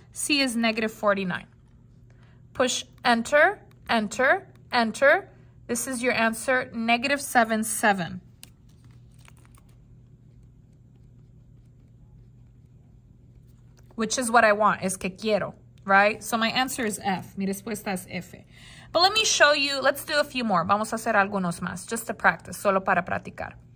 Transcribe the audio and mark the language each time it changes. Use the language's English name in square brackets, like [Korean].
[English] C is negative 49. Push enter, enter, enter. This is your answer, negative 7, 7. Which is what I want, [Spanish] es que quiero, [English] right? So my answer is F, [Spanish] mi respuesta es F. [English] But let me show you, let's do a few more. [Spanish] Vamos a hacer algunos más, [English] just to practice, [Spanish] solo para practicar.